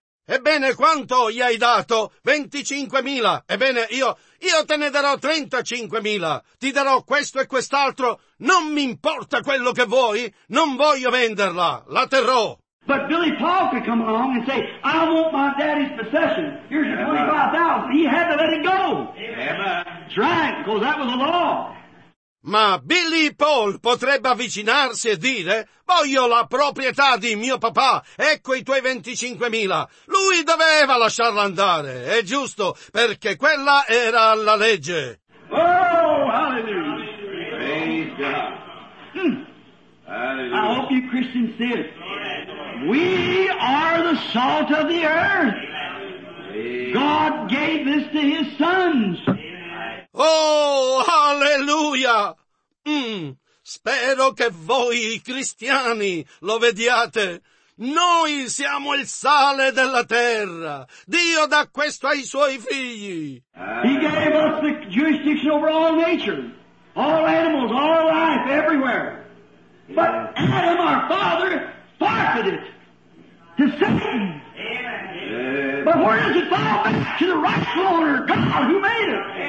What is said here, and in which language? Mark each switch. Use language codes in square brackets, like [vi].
[it] Ebbene, quanto gli hai dato? 25,000. Ebbene, io te ne darò 35,000. Ti darò questo e quest'altro. Non mi importa quello che vuoi. Non voglio venderla. La terrò. [en] But Billy Paul could come along and say, I want my daddy's possession. Here's your $25,000. He had to let it go. Amen. That's right, because that was the law. [it] Ma Billy Paul potrebbe avvicinarsi e dire, voglio la proprietà di mio papà, ecco i tuoi 25,000. Lui doveva lasciarla andare, è giusto, perché quella era la legge. [en] Oh, hallelujah. Amen. Satan. Hallelujah. I hope you Christians see it. We are the salt of the earth. God gave this to his sons. Oh, hallelujah! [it] Spero che voi, i cristiani, lo vediate. Noi siamo il sale della terra. Dio dà questo ai suoi figli. [en] He gave us the jurisdiction over all nature, all animals, all life, everywhere. But Adam, our father, forfeited it to Satan. But where does it fall back? To the rightful owner, God, who made it.